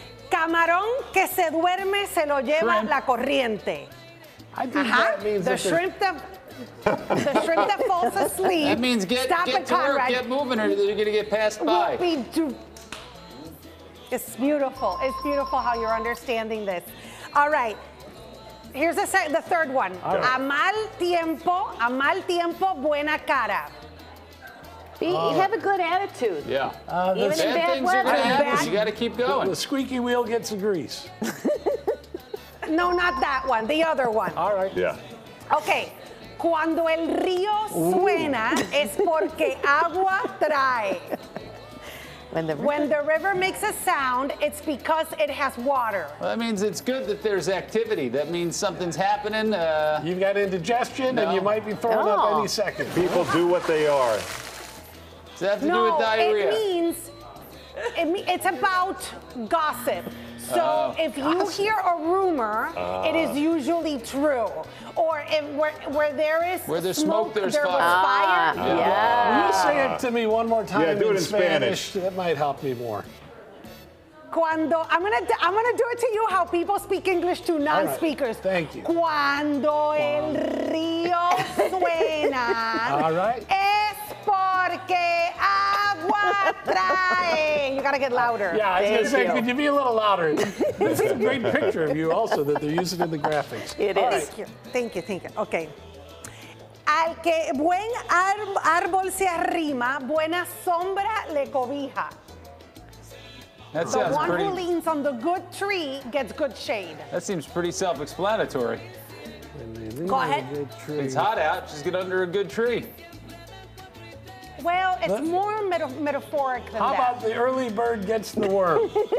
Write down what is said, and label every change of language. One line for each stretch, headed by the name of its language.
Spanish: Camarón que se duerme se lo lleva la corriente.
English: I think that means the shrimp that falls asleep. That means get moving or you're gonna get passed by. It's beautiful. It's beautiful how you're understanding this. All right. Here's the third one. Right.
Spanish: A mal tiempo, buena cara.
English: Have a good attitude. Yeah. Even in bad weather. You got to keep going. The squeaky wheel gets the grease. No, not that one. The other one. All right. Yeah. Okay.
Spanish: Cuando el río suena, es porque agua trae.
English: When the river makes a sound, it's because it has water. Well, that means it's good that there's activity. That means something's happening. You've got indigestion, and you might be throwing up any second. People do what they are. Does that have to do with diarrhea? It's about gossip. So if you hear a rumor, it is usually true. Or if where there's smoke, there's fire. You say it to me one more time do it in Spanish. It might help me more. I'm gonna do it to you how people speak English to non-speakers. All right. Thank you.
Spanish: Cuando el río suena.
English: All right.
Spanish: Es porque agua trae.
English: You gotta get louder. Yeah, I was gonna say, could you be a little louder? This is a great picture of you also that they're using in the graphics. It is. Thank you. Thank you, thank you. Okay.
Spanish: Al que buen árbol se arrima, buena sombra le cobija.
English: The one who leans on the good tree gets good shade. That seems pretty self-explanatory. Go ahead. It's hot out, just get under a good tree. Well, it's more metaphoric than How that. How about the early bird gets the worm?